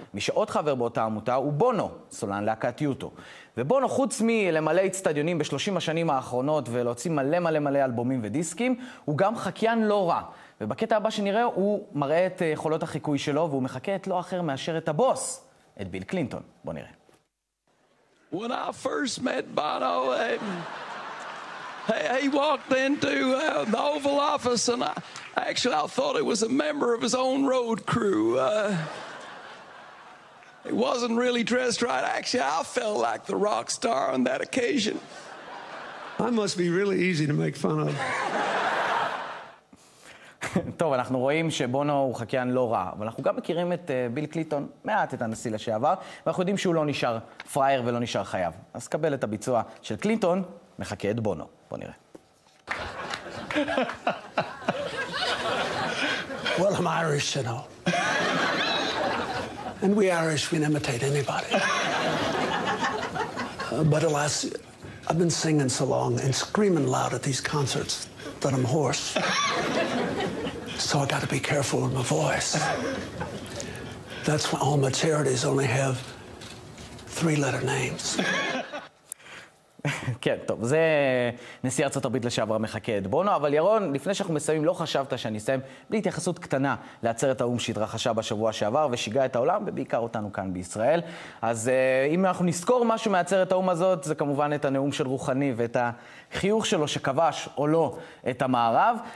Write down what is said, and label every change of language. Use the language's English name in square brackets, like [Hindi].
[Hebrew] מי שעוד חבר באותה עמותה הוא בונו, סולן להקת יוטו. ובונו, חוץ מלמלא אצטדיונים ב-30 השנים האחרונות ולהוציא מלא מלא מלא אלבומים ודיסקים, הוא גם חקיין לא רע. ובקטע הבא שנראה, הוא מראה את יכולות החיקוי שלו, והוא מחכה את לא אחר מאשר את הבוס, את ביל קלינטון. בוא נראה. [English] When I first met Bono, he walked into the Oval Office, and I thought he was a member of his own road crew. He wasn't really dressed right. Actually, I felt like the rock star on that occasion. I must be really easy to make fun of. [Hebrew] טוב, אנחנו רואים שבונו הוא חקיין לא רע, אבל אנחנו גם מכירים את ביל קלינטון, מעט את הנשיא לשעבר, ואנחנו יודעים שהוא לא נשאר פרייר ולא נשאר חייב. אז קבל את הביצוע של קלינטון, מחכה את בונו. בוא נראה. [English] Well, I'm Irish, you know. And we Irish, we imitate anybody. But alas, I've been singing so long and screaming loud at these concerts that I'm hoarse. So I got to be careful with my voice. That's why all my charities only have 3-letter names. [Hebrew] כן, טוב, זה נשיא ארצות הברית לשעבר מחכה את בונו, אבל ירון, לפני שאנחנו מסיים, לא חשבת שאני אסיים בלי התייחסות קטנה לעצרת האום שהתרחשה בשבוע שעבר ושיגעה את העולם, ובעיקר אותנו כאן בישראל. אז אם אנחנו נזכור משהו מעצרת האום הזאת, זה כמובן את הנאום של רוחני ואת החיוך שלו שכבש או לא את המערב.